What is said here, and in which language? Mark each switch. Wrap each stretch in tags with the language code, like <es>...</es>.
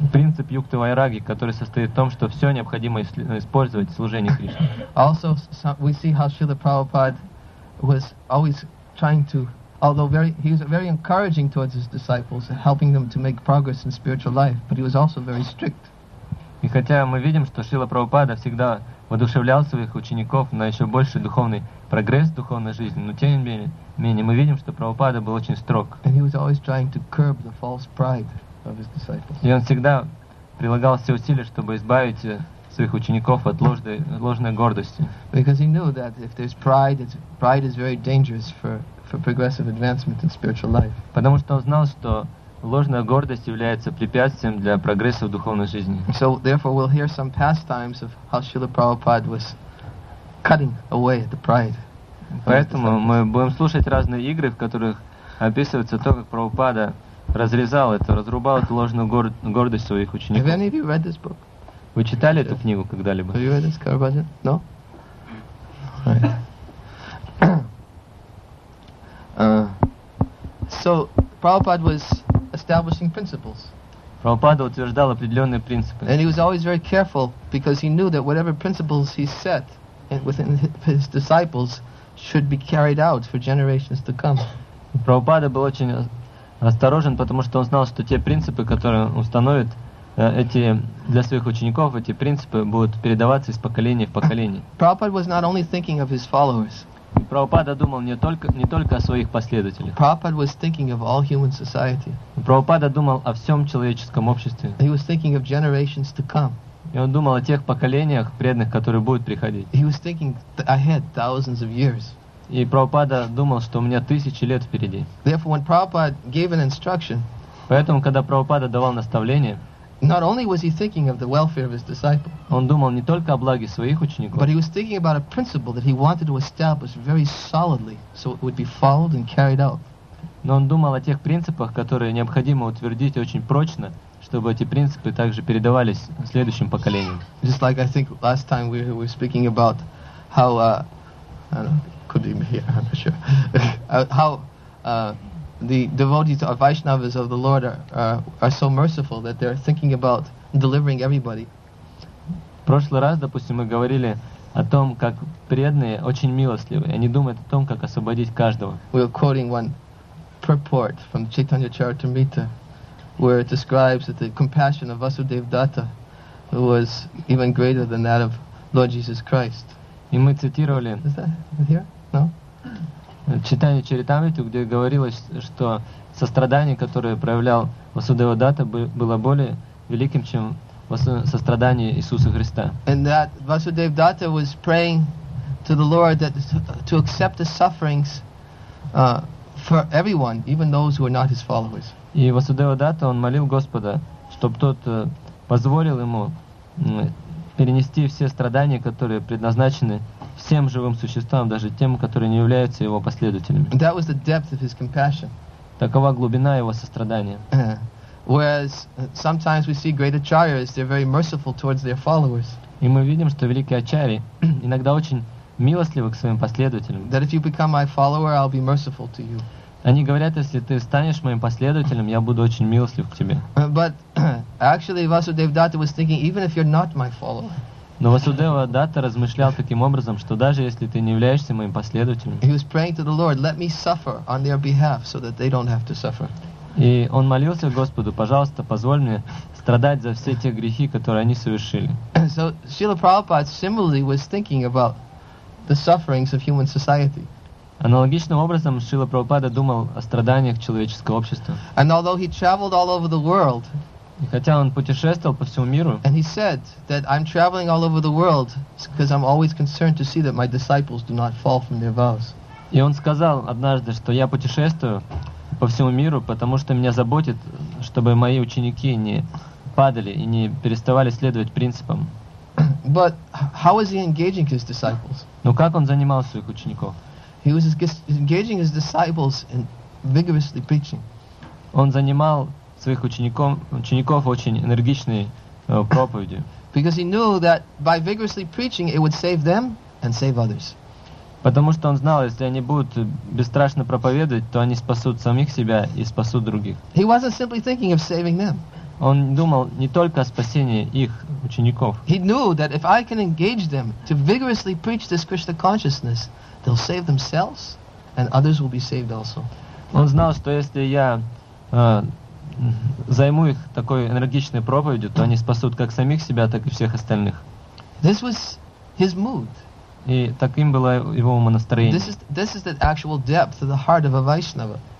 <ru>Принцип Юкта Вайраги, который состоит в том, что все необходимо использовать в служении Кришне.</ru> <en>Also, we see how Srila Prabhupada was always trying to, although very, he was very encouraging towards his disciples, helping them to make progress in spiritual life, but he was also very strict.</en> <ru>И хотя мы видим, что Шрила Прабхупада всегда воодушевлял своих учеников на еще больший духовный прогресс в духовной жизни, но тем не менее мы видим, что Прабхупада был очень строг.</ru> <en>And he was always trying to curb the false pride of his disciples.</en> <ru>И он всегда прилагал все усилия, чтобы избавить своих учеников от ложной гордости.</ru> <en>Because he knew that if there's pride, pride is very dangerous for progressive advancement in spiritual life.</en> <ru>Потому что он знал, что ложная гордость является препятствием для прогресса в духовной жизни.</ru> <en>So therefore we'll hear some pastimes of how Srila Prabhupada was cutting away the pride.</en> <ru>Поэтому мы будем слушать разные игры, в которых описывается то, как Прабхупада разрезал это, разрубал эту ложную гордость своих учеников.</ru> <en>Have any of you read this book?</en> <ru>Вы читали эту книгу когда-либо?</ru> <en>Have you read this, Karabhaja? No? So Prabhupada was establishing principles.</en> <ru>Прабхупада утверждал определенные принципы.</ru> <en>And he was always very careful because he knew that whatever principles he set within his disciples should be carried out for generations to come.</en> <ru>Прабхупада был очень осторожен, потому что он знал, что те принципы, которые он установит эти для своих учеников, эти принципы будут передаваться из поколения в поколение.</ru> <en>Prabhupada was not only thinking of his followers.</en> <ru>Прабхупада думал не только о своих последователях.</ru> <en>Prabhupada was thinking of all human society.</en> <ru>Прабхупада думал о всем человеческом обществе.</ru> <en>He was thinking of generations to come.</en> <ru>И он думал о тех поколениях преданных, которые будут приходить.</ru> <en>He was thinking ahead thousands of years.</en> <ru>И Прабхупада думал, что у меня тысячи лет впереди.</ru> <en>Therefore, when Prabhupada gave an instruction,</en> <ru>поэтому, когда Прабхупада давал наставление,</ru> <en>not only was he thinking of the welfare of his disciple,</en> <ru>он думал не только о благе своих учеников,</ru> <en>but he was thinking about a principle that he wanted to establish very solidly so it would be followed and carried out.</en> <ru>Но он думал о тех принципах, которые необходимо утвердить очень прочно, чтобы эти принципы также передавались следующим поколениям.</ru> <en>Just like I think last time we were speaking about how the devotees of Vaishnavas of the Lord are so merciful that they're thinking about delivering everybody.</en> <ru>В прошлый раз, допустим, мы говорили о том, как преданные очень милостливы, и они думают о том, как освободить каждого.</ru> <en>We're quoting one purport from Chaitanya Charitamrita, where it describes that the compassion of Vasudev Datta was even greater than that of Lord Jesus Christ.</en> <ru>И мы цитировали.</ru> <en>Is that here? No?</en> <ru>Читание Чаритамриту, где говорилось, что сострадание, которое проявлял Васудева Датта, было более великим, чем сострадание Иисуса Христа.</ru> <en>And that Vasudev Datta was praying to the Lord that to accept the sufferings for everyone, even those who are not his followers.</en> <ru>И Васудева Датта, он молил Господа, чтобы тот позволил ему перенести все страдания, которые предназначены всем живым существам, даже тем, которые не являются его последователями.</ru> <en>That was the depth of his compassion.</en> <ru>Такова глубина его сострадания.</ru> <en>Whereas sometimes we see great acharyas, they're very merciful towards their followers.</en> <ru>И мы видим, что великие ачарьи иногда очень милостливы к своим последователям.</ru> <en>That if you become my follower, I'll be merciful to you.</en> <ru>Они говорят, если ты станешь моим последователем, я буду очень милостлив к тебе.</ru> <en>But actually, Vasudev Datta was thinking, even if you're not my follower.</en> <ru>Но Васудева Датта размышлял таким образом, что даже если ты не являешься моим последователем,</ru> <en>he was praying to the Lord, let me suffer on their behalf so that they don't have to suffer.</en> <ru>И он молился Господу, пожалуйста, позволь мне страдать за все те грехи, которые они совершили.</ru> <en>So Srila Prabhupada similarly was thinking about the sufferings of human society.</en> <ru>Аналогичным образом Шрила Прабхупада думал о страданиях человеческого общества.</ru> <en>And although he traveled all over the world,</en> <ru>и хотя он путешествовал по всему миру,</ru> <en>and he said that I'm traveling all over the world because I'm always concerned to see that my disciples do not fall from their vows.</en> <ru>И он сказал однажды, что я путешествую по всему миру, потому что меня заботит, чтобы мои ученики не падали и не переставали следовать принципам.</ru> <en>But how was he engaging his disciples?</en> <ru>Но как он занимал своих учеников?</ru> <en>He was engaging his disciples in vigorously preaching.</en> <ru>Он занимал своих учеников очень энергичной проповедью.</ru> <en>Because he knew that by vigorously preaching it would save them and save others.</en> <ru>Потому что он знал, если они будут бесстрашно проповедовать, то они спасут самих себя и спасут других.</ru> <en>He wasn't simply thinking of saving them.</en> <ru>Он думал не только о спасении их учеников.</ru> <en>He knew that if I can engage them to vigorously preach this Krishna consciousness, they'll save themselves and others will be saved also.</en> <ru>Он знал, что если я займу их такой энергичной проповедью, то они спасут как самих себя, так и всех остальных.</ru> <en>This was his mood.</en> <ru>И таким было его умонастроение.</ru> <en>This is the actual depth of the heart of a Vaishnava.</en>